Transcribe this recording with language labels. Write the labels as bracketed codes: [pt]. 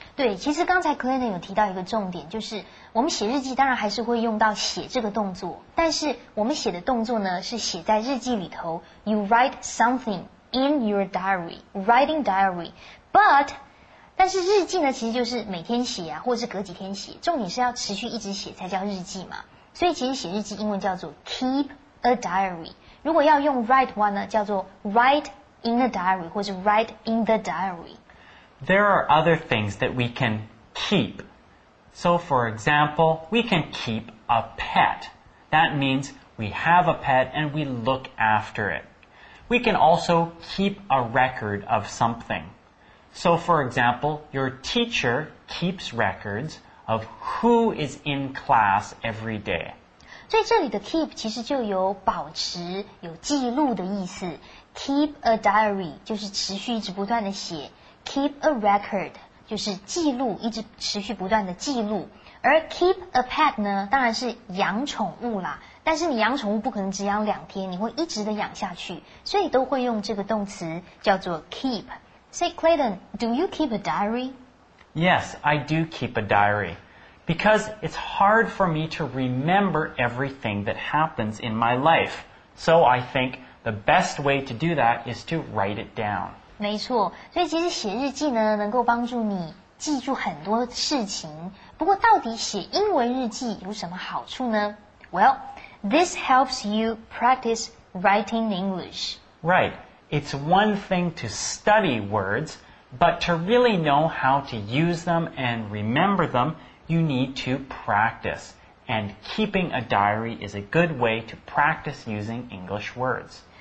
[zh] 对，其实刚才 Clinton 有提到一个重点，就是我们写日记当然还是会用到写这个动作，但是我们写的动作呢是写在日记里头。 [en] You write something in your diary, writing diary. [zh] But, 但是日记呢其实就是每天写啊，或者是隔几天写，重点是要持续一直写才叫日记嘛。所以其实写日记英文叫做 [en] keep a diary. [zh] 如果要用 write one 呢，叫做 [en] write in a diary [zh] 或是 [en] write in the diary. There are other things that we can keep. So, for example, we can keep a pet. That means we have a pet and we look after it. We can also keep a record of something. So, for example, your teacher keeps records of who is in class every day. [zh] 所以这里的 keep 其实就有保持、有记录的意思。 [en] Keep a diary [zh] 就是持续一直不断的写。 [en] Keep a record, [zh] 就是记录一直持续不断的记录。而 [en] keep a pet [zh] 呢当然是养宠物啦。但是你养宠物不可能只养两天，你会一直的养下去。所以都会用这个动词叫做 keep. [en] Say, Clayton, do you keep a diary? Yes, I do keep a diary. Because it's hard for me to remember everything that happens in my life. So I think the best way to do that is to write it down. [zh] 没错，所以其实写日记呢能够帮助你记住很多事情。不过到底写英文日记有什么好处呢？ [en] Well, this helps you practice writing English. Right. It's one thing to study words, but to really know how to use them and remember them, you need to practice. And keeping a diary is a good way to practice using English words.